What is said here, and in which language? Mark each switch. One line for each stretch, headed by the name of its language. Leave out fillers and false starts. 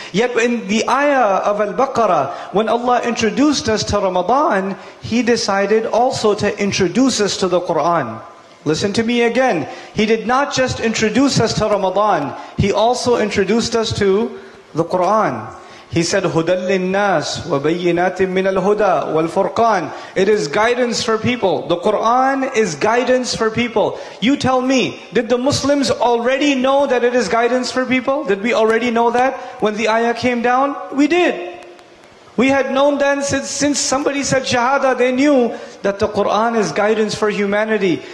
English: Yet in the ayah of Al-Baqarah, when Allah introduced us to Ramadan, He decided also to introduce us to the Quran. Listen to me again. He did not just introduce us to Ramadan. He also introduced us to the Quran. He said,
Arabic: هُدَى لِلنَّاسِ وَبَيِّنَاتٍ مِّنَ الْهُدَى وَالْفُرْقَانِ.
English: It is guidance for people. The Quran is guidance for people. You tell me, did the Muslims already know that it is guidance for people? Did we already know that when the ayah came down? We did. We had known then since somebody said shahada, they knew that the Quran is guidance for humanity.